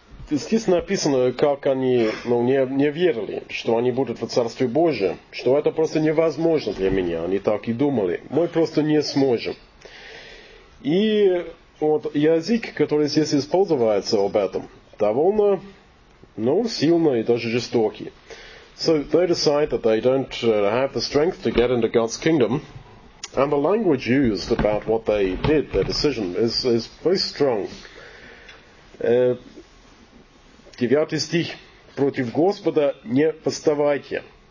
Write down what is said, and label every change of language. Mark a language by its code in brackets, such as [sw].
[ru] Естественно, написано, как они, ну, не верили, что они будут в Царстве Божьем, что это просто невозможно для меня. Они так и думали. Мы просто не сможем. И вот язык, который здесь используется об этом, довольно, ну, сильный и даже жестокий. [en] So they decide that they don't have the strength to get into God's kingdom. And the language used about what they did, their decision, is very strong. [ru] Девятый стих. Против Господа не восставайте.